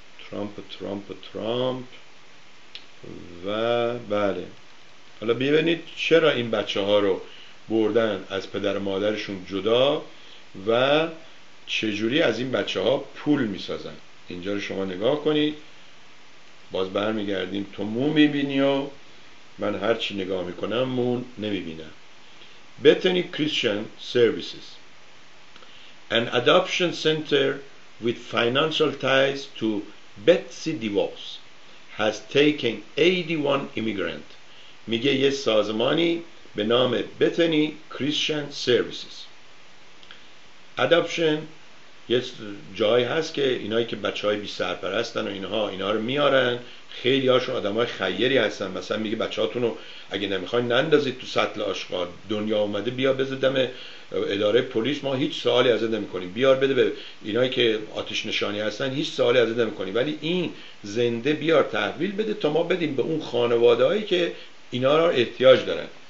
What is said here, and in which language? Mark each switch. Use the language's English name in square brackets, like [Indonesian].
[Persian] ترامپ ترامپ ترامپ. و بله حالا ببینید چرا این بچه ها رو بردن از پدر مادرشون جدا و چجوری از این بچه ها پول میسازن. اینجا رو شما نگاه کنید، باز برمیگردیم، تو مو میبینی و من هرچی نگاه میکنم مو نمیبینم. [English] Bethany Christian Services, an adoption center with financial ties to Betsy DeVos, has taken 81 immigrant. [Persian] میگه یه سازمانی به نام Bethany Christian Services. Adoption یه جایی هست که اینایی که بچه های بی سرپرستن و اینا رو میارن. خیلی هاشون آدم های خیری هستن. مثلا میگه بچه هاتون رو اگه نمیخواین نندازید تو سطل آشغال، دنیا اومده بیا بذار دم اداره پلیس، ما هیچ سوالی ازت نمی کنیم، بیار بده به اینایی که آتش نشانی هستن، هیچ سوالی ازت نمی کنیم، ولی این زنده بیار تحویل بده تا ما بدیم به اون خانواده هایی که اینا رو احتیاج دارن.